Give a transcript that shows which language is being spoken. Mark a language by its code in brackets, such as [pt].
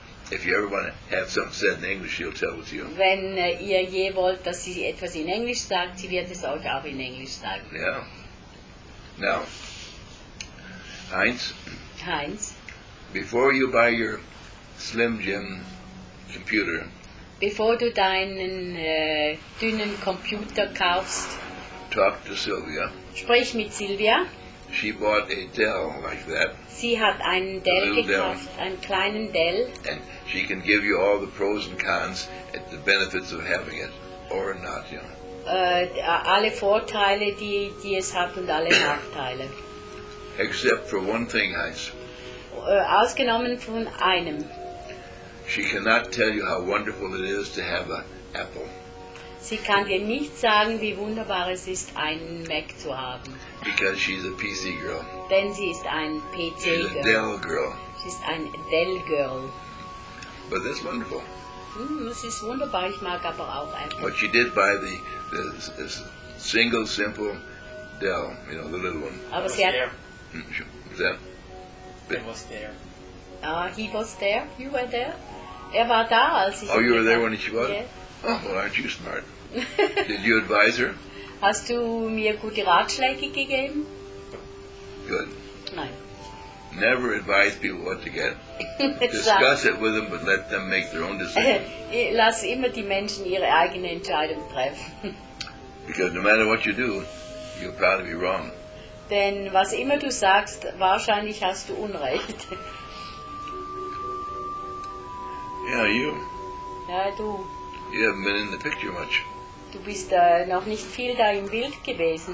[en] If you ever want to have something said in English, she'll tell it to you. [de] Wenn ihr je wollt, dass sie etwas in Englisch sagt, sie wird es euch auch in Englisch sagen. [en] Yeah. Now, Heinz. [de] Heinz. [en] Before you buy your Slim Jim computer. [de] Bevor du deinen dünnen Computer kaufst. [en] Talk to Sylvia. [de] Sprich mit Sylvia. [en] She bought a Dell like that. [de] Sie hat einen Dell gekauft, einen kleinen Dell. [en] And she can give you all the pros and cons and the benefits of having it or not, you know. [de] Alle Vorteile, die es hat und alle Nachteile. [en] Except for one thing, Heinz. [de] Ausgenommen von einem. [en] She cannot tell you how wonderful it is to have an Apple. [de] Sie kann dir nicht sagen, wie wunderbar es ist, einen Mac zu haben. [en] Because she's a PC girl. [de] Denn sie ist ein PC-Girl. [en] She's a Dell girl. [de] Sie ist ein Dell-Girl. [en] But that's wonderful. [de] Es ist wunderbar, ich mag aber auch Apple. [en] But she did buy the single, simple Dell, you know, the little one. [de] Aber sie hat... [en] Was that? He was there. He was there? You were there? [de] Er war da, als ich... [en] Oh, you were there when she was? Yeah. Oh, well, aren't you smart? Did you advise her? [de] Hast du mir gute Ratschläge gegeben? [en] Good. [de] Nein. [en] Never advise people what to get. Discuss it with them, but let them make their own decision. [de] Lass immer die Menschen ihre eigene Entscheidung treffen. [en] Because no matter what you do, you'll probably be wrong. [de] Denn was immer du sagst, wahrscheinlich hast du Unrecht. [en] Yeah, you. [de] Ja, du. [en] You haven't been in the picture much. [de] Du bist noch nicht viel da im Bild gewesen.